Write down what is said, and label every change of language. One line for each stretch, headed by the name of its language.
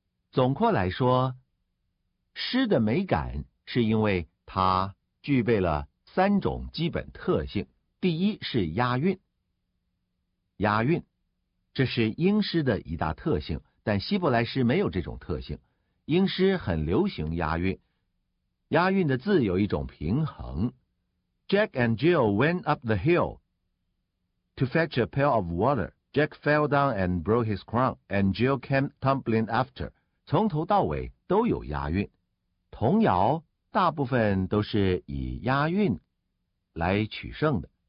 Chinese: 总括来说，诗的美感是因为它具备了三种基本特性。第一是押韵，押韵，这是英诗的一大特性，但希伯来诗没有这种特性。英诗很流行押韵，押韵的字有一种平衡。
English: Jack and Jill went up the hill to fetch a pail of water. Jack fell down and broke his crown, and Jill came tumbling after.
Chinese: 从头到尾都有押韵，童谣大部分都是以押韵来取胜的。